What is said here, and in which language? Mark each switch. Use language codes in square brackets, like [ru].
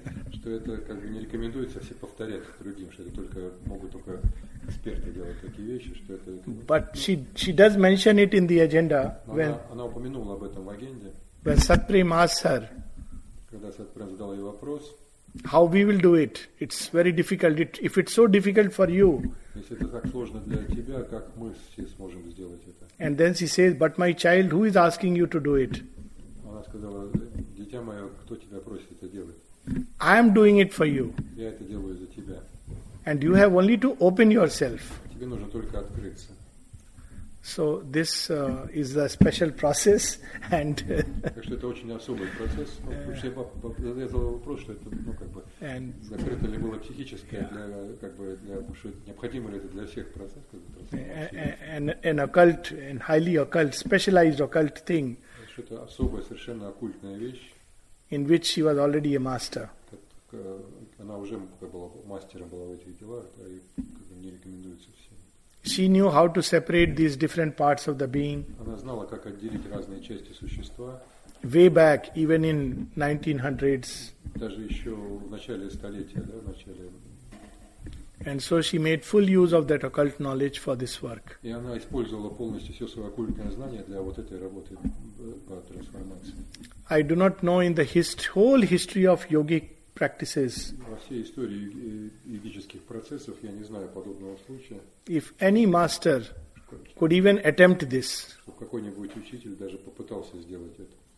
[ru] Что это как бы не рекомендуется все повторять другим, что это только могут только эксперты делать такие вещи, что это. [en] But she does mention it in the agenda. [ru] Она упомянула об этом в агенде. [en] When Satprem asked her, [ru] когда Сатпрем задал ей вопрос, [en] how we will do it? It's very difficult. If it's so difficult for you, [ru] если это так сложно для тебя, как мы все сможем сделать это? [en] And then she says, but my child, who is asking you to do it? [ru] Она сказала, дитя мое, кто тебя просит это делать? [en] I am doing it for you. [ru] Я это делаю за тебя. [en] And you have only to open yourself. [ru] Тебе нужно только открыться. [en] So this is a special process, and. [ru] Так что это очень особый процесс. Я задал вопрос, что это, ну, как бы, закрыто ли было психическое для, как бы, для, необходимо ли это для всех процессов? [en] An occult, an highly occult, specialized occult thing. [ru] Что-то особое, совершенно оккультная вещь. [en] In which she was already a master. [ru] Она уже была мастером была в этих делах, и не рекомендуется всем. [en] She knew how to separate these different parts of the being. [ru] Она знала, как отделить разные части существа. [en] way back, even in 1900s. [ru] Даже еще в начале столетия, да, в начале. [en] And so she made full use of that occult knowledge for this work. [ru] И она использовала полностью все свое оккультное знание для вот этой работы по трансформации. [en] I do not know in the whole history of yogic practices. [ru] Во всей истории йогических процессов я не знаю подобного случая. [en] If any master could even attempt this. [ru] Чтобы какой-нибудь учитель даже попытался сделать это.